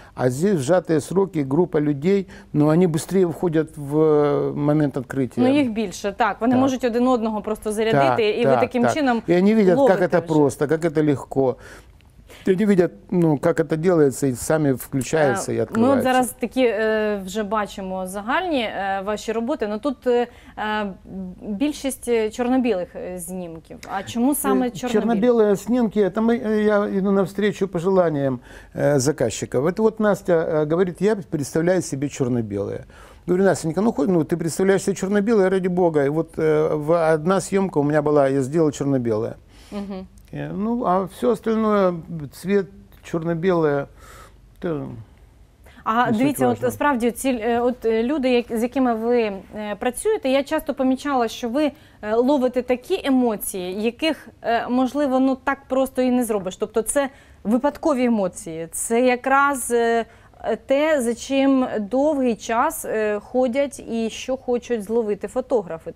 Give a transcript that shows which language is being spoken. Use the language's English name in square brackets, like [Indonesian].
[Russian] А здесь сжатые сроки, группа людей, но они быстрее входят в момент открытия. Но их больше, так. Они можете один одного просто зарядить, так, и вы [Ukrainian] таким чином [Russian] ловите. И они видят, как это просто, как это легко. Люди видят, ну, как это делается, и сами включаются и открываются. [Ukrainian] Ми от зараз такі вже бачимо загальні ваші роботи, але тут більшість чорно-білих знімків. А чому саме чорно-білі? Чорно-білі знімки, [Russian] это я йду навстречу пожеланням заказчиков. Это вот Настя говорит, я представляю себе чорно-білі. Говорю, Настенька, ну хоть, ну ты представляешь себе чорно-білі, ради бога. И вот одна съемка у меня была, я сделал чорно-білі. Угу. Ну, а все остальное, цвет, чорно-біле, то [Ukrainian] а дивіться, от справді ці от люди, з якими ви працюєте, я часто помічала, що ви ловите такі емоції, яких, можливо, ну так просто і не зробиш. Тобто це випадкові емоції, це якраз те, за чим довгий час ходять і що хочуть зловити фотографи.